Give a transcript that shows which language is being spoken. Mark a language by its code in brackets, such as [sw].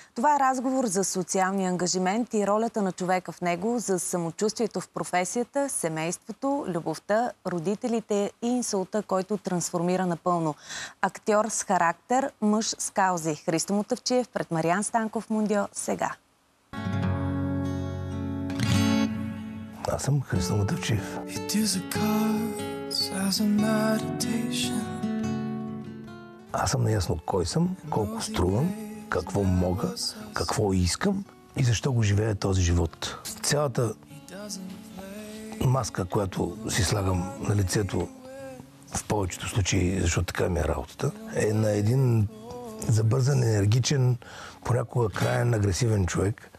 [bg] Това е разговор за социалния ангажимент и ролята на човека в него, за самочувствието в професията, семейството, любовта, родителите и инсулта, който трансформира напълно. Актьор с характер, мъж с каузи. Христо Мутафчиев пред Мариан Станков, Мондио, сега. Аз съм Христо Мутафчиев. [en] It is a cause as a meditation. [bg] Аз съм наясно кой съм, колко струвам, какво мога, какво искам и защо го живея този живот. Цялата маска, която си слагам на лицето, в повечето случаи, защото така ми е работата, е на един забързан, енергичен, понякога крайен, агресивен човек.